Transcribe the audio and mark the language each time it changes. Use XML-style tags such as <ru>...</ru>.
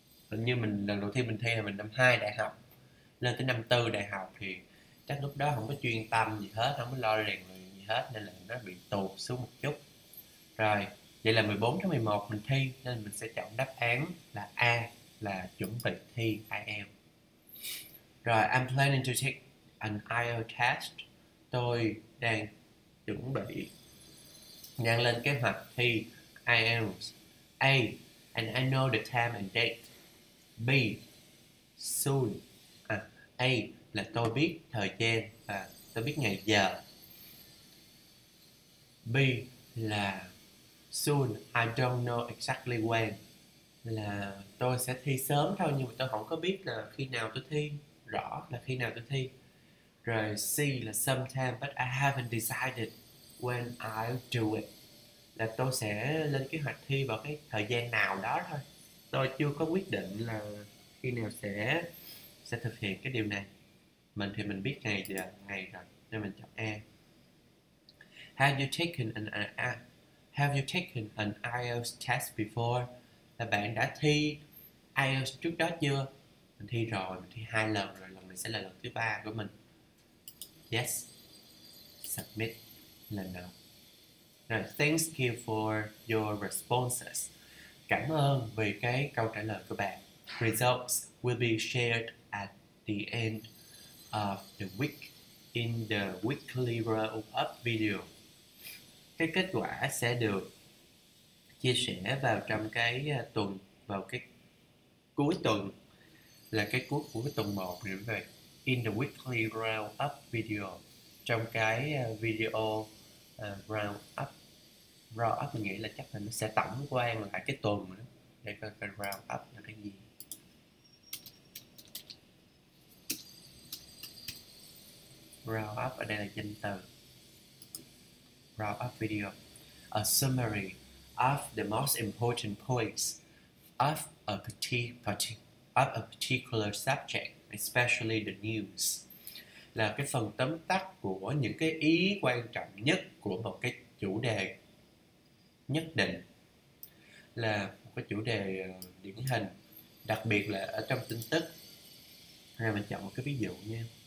<vi>Hình như mình lần đầu tiên mình thi là mình năm 2 đại học. Lên tới năm 4 đại học thì chắc lúc đó không có chuyên tâm gì hết, không có lo rèn luyện gì hết, nên là nó bị tụt xuống một chút. Rồi, vậy là 14 tháng 11 mình thi, nên mình sẽ chọn đáp án là A, là chuẩn bị thi IELTS.</vi> <en>Rồi, I'm planning to take an IELTS test.</en> <vi>Tôi đang chuẩn bị, đang lên kế hoạch thi IELTS.</vi> <en>A, and I know the time and date. B, soon.</en> <vi>A là tôi biết thời gian và tôi biết ngày giờ. B là soon,</vi> <en>I don't know exactly when,</en> <vi>là tôi sẽ thi sớm thôi nhưng mà tôi không có biết là khi nào tôi thi, rõ là khi nào tôi thi. Rồi C là</vi> <en>sometime but I haven't decided, when I do it</en> <vi>là tôi sẽ lên kế hoạch thi vào cái thời gian nào đó thôi. Tôi chưa có quyết định là khi nào sẽ thực hiện cái điều này. Mình thì mình biết ngày giờ ngày rồi nên mình chọn A.</vi> <en>Have you taken an IELTS test before?</en> <vi>Là bạn đã thi IELTS trước đó chưa? Mình thi rồi, mình thi 2 lần rồi, lần này sẽ là lần thứ ba của mình. Yes.</vi> <en>Submit là no. Rồi, thanks you for your responses.</en> <vi>Cảm ơn vì cái câu trả lời của bạn.</vi> <en>Results will be shared at the end of the week in the weekly roll up video.</en> <vi>Cái kết quả sẽ được chia sẻ vào trong cái tuần, vào cái cuối tuần, là cái cuối của cái tuần 1 như vậy.</vi> <en>In the weekly roundup video,</en> <vi>trong cái video roundup nghĩa là chắc là nó sẽ tổng quan lại cái tuần nữa. Để coi cái roundup là cái gì. Roundup ở đây là danh từ. Roundup video.</vi> <en>A summary of the most important points of a particular subject, especially the news.</en> <vi>Là cái phần tóm tắt của những cái ý quan trọng nhất của một cái chủ đề nhất định, là một cái chủ đề điển hình, đặc biệt là ở trong tin tức. Hay mình chọn một cái ví dụ nha.</vi>